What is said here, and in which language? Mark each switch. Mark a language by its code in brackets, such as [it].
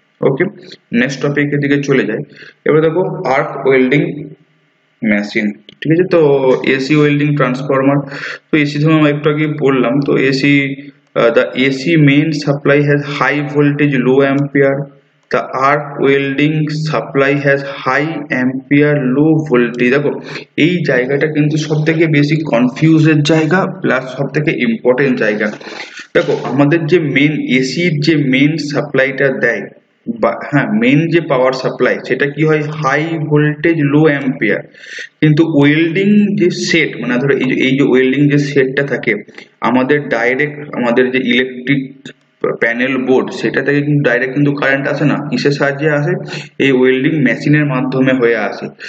[bn] Okay next টপিকের দিকে চলে যাই. এবার দেখো আর্ক ওয়েল্ডিং মেশিন, ঠিক আছে, তো এসি ওয়েল্ডিং ট্রান্সফরমার, তো এসি ধরুন একটু আগে বললাম, তো AC [en] The AC main supply has high voltage low ampere The arc welding supply has high ampere low voltage. [bn] দেখো এই জায়গাটা কিন্তু সবথেকে বেশি কনফিউজড জায়গা প্লাস সবথেকে ইম্পর্টেন্ট জায়গা। দেখো আমাদের যে মেইন এসি যে মেইন সাপ্লাইটা দেয় বা হ্যাঁ মেইন যে পাওয়ার সাপ্লাই সেটা কি হয় হাই ভোল্টেজ লো অ্যাম্পিয়ার, কিন্তু ওয়েল্ডিং যে সেট মানে ধরো এই যে ওয়েল্ডিং যে সেটটা থাকে আমাদের ডাইরেক্ট আমাদের যে ইলেকট্রিক প্যানেল বোর্ড সেটা থেকে কিন্তু ডাইরেক্ট কিন্তু কারেন্ট আসে না, কিসের সাহায্যে আসে এই ওয়েল্ডিং মেশিনের মাধ্যমে হয়ে আসে।